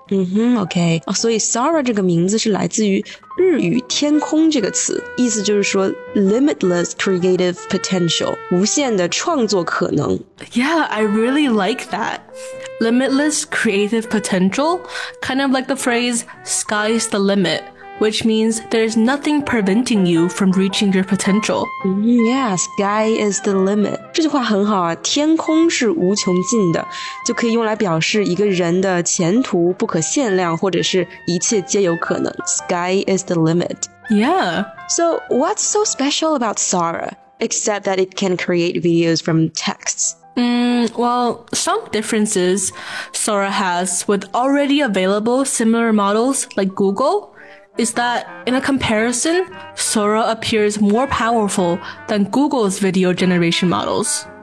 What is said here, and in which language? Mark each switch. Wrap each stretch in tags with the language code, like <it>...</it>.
<en>Mm-hmm, okay.</en> <zh>所以 Sora 这个名字是来自于日语天空这个词，意思就是说</zh> <en>limitless creative potential,</en> <zh>无限的创作可能。</zh> <en>Yeah, I really like that. Limitless creative potential, kind of like the phrase, sky's the limit. Which means there's nothing preventing you from reaching your potential. Yeah, sky is the limit.</en> <zh>这句话很好啊，天空是无穷尽的，就可以用来表示一个人的前途不可限量，或者是一切皆有可能。</zh> <en>Sky is the limit. Yeah. So what's so special about Sora, except that it can create videos from texts? Well, some differences Sora has with already available similar models like Google,is that, in a comparison, Sora appears more powerful than Google's video generation models.</en>